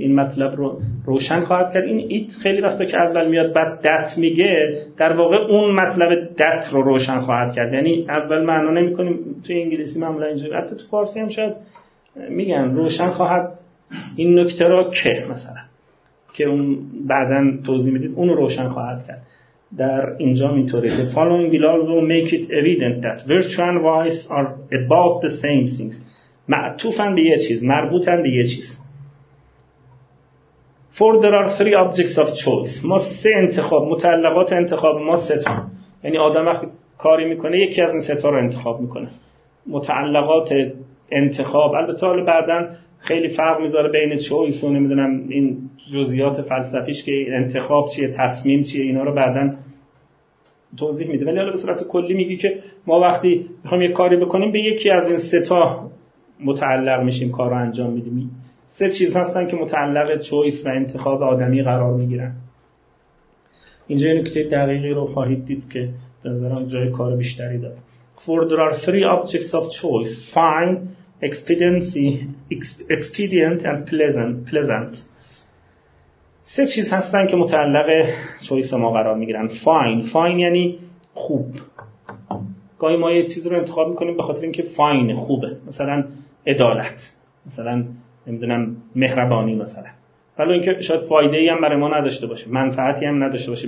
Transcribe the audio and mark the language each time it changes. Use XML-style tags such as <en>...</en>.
<fa>این مطلب رو روشن خواهد کرد. این it خیلی وقتا که اول میاد بعد that میگه، در واقع اون مطلب that رو روشن خواهد کرد. یعنی اول معنا نمی کنیم تو انگلیسی معمولا اینجوری، حتی تو فارسی هم شاید میگن روشن خواهد این نکته را که، مثلا که اون بعدن توضیح میدید اون رو روشن خواهد کرد. در اینجا میتوره</fa> <en>The following will also make it evident that virtue and vice are about the same things.</en> <fa>معطوفن به یه چیز، مربوطن به یه چیز.</fa> <en>For there are three objects of choice.</en> <fa>ما سه انتخاب، متعلقات انتخاب ما سه تا. یعنی آدم وقتی کاری میکنه یکی از این سه تا رو انتخاب میکنه. متعلقات انتخاب، البته حالا بعدن خیلی فرق میذاره بین choice و نمیدونم این جزئیات فلسفیش که انتخاب چیه، تصمیم چیه، اینا رو بعدن توضیح میده. ولی حالا به صورت کلی میگه که ما وقتی میخوام یه کاری بکنیم به یکی از این سه تا متعلق میشیم، کارو انجام میدیم. سه چیز هستن که متعلق چویس و انتخاب آدمی قرار میگیرن. اینجا یه نکته دقیقی رو خواهید دید که به نظرم جای کار بیشتری داره.</fa> <en>For there are three objects of choice: fine, expediency, expedient and pleasant.</en> <fa>سه چیز هستن که متعلق چویس ما قرار میگیرن. Fine یعنی خوب، گاهی ما یه چیز رو انتخاب میکنیم به خاطر اینکه فاین خوبه، مثلا عدالت، مثلا نمیدونم مهربانی، مثلا ولی اینکه شاید فایده ای هم برای ما نداشته باشه، منفعتی هم نداشته باشه.</fa>